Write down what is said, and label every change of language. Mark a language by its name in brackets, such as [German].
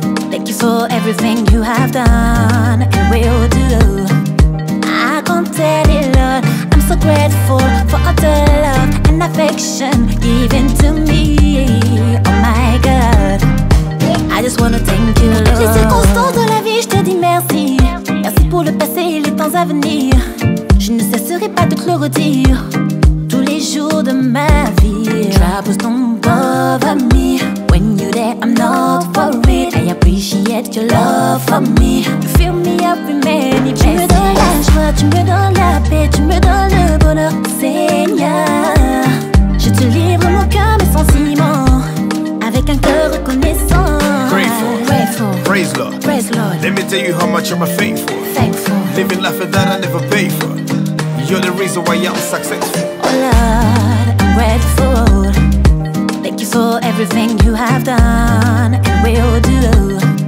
[English] Thank you for everything you have done and will do. I can't tell you, Lord, I'm so grateful for all the love and affection given to me. Oh my God, I just wanna thank you, Lord. [French] Les circonstances de la vie, je te dis merci. Merci pour le passé et les temps à venir. Je ne cesserai pas de te le redire tous les jours de ma vie. [English] Troubles don't bother me. When you're there, I'm not worried. I appreciate your love for me. You fill me up with many blessings. [French] Tu me donnes la joie, tu me donnes la paix, tu me donnes le bonheur, Seigneur. Je te livre mon cœur, mes sentiments, avec un cœur reconnaissant. [English] Praise Lord. Praise Lord. Let me tell you how much I'm a faithful. Thankful. Living life for that I never paid for. You're the reason why I'm successful. Oh Lord, I'm grateful. Thank you for everything you have done and will do.